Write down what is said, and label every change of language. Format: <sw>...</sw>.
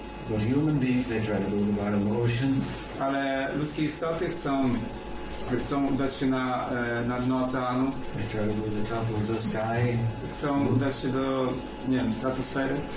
<en>But human beings, they try to go to the bottom of the ocean.</en> <pl>Ale ludzkie istoty chcą udać się na dno oceanu.</pl> <en>They try to go to the top of the sky.</en> <pl>Chcą udać się do, nie wiem, stratosfery.</pl>